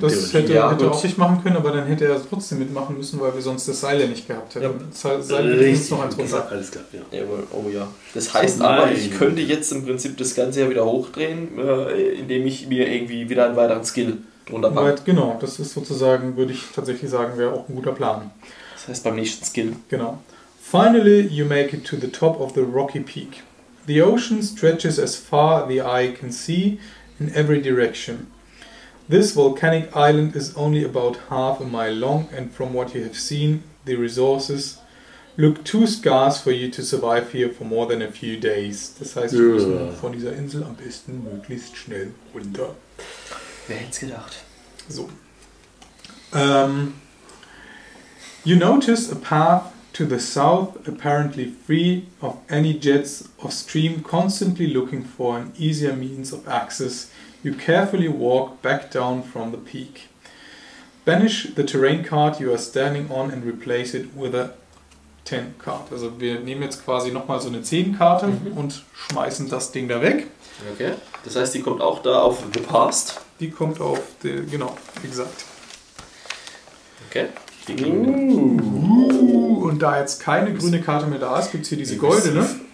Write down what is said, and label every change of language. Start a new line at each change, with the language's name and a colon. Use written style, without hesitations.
German: Das hätte auch sich machen können, aber dann hätte er trotzdem mitmachen müssen, weil wir sonst das Seil ja nicht gehabt hätten. Ja. Seil ist noch eins runter. Alles klar, ja. Jawohl, oh ja. Das heißt aber, ich könnte jetzt im Prinzip das Ganze ja wieder hochdrehen, indem ich mir irgendwie wieder einen weiteren Skill drunter packe. Genau, das ist sozusagen, würde ich tatsächlich sagen, wäre auch ein guter Plan. Das heißt beim nächsten Skill. Genau.
English: Finally, you make it to the top of the rocky peak. The ocean stretches as far the eye can see in every direction. This volcanic island is only about half a mile long, and from what you have seen, the resources look too scarce for you to survive here for more than a few days.
German: Das heißt, wir müssen von dieser Insel am besten möglichst schnell runter. Wer hätte es gedacht? So.
English: You notice a path to the south, apparently free of any jets of stream, constantly looking for an easier means of access. You carefully walk back down from the peak. Banish the terrain card you are standing on and replace it with a 10 card.
German: Also wir nehmen jetzt quasi nochmal so eine 10 Karte und schmeißen das Ding da weg. Okay. Das heißt, die kommt auch da auf
English: the past.
German: Die kommt auf die, genau, wie gesagt. Okay. Und da jetzt keine grüne Karte mehr da ist, gibt es hier diese goldene.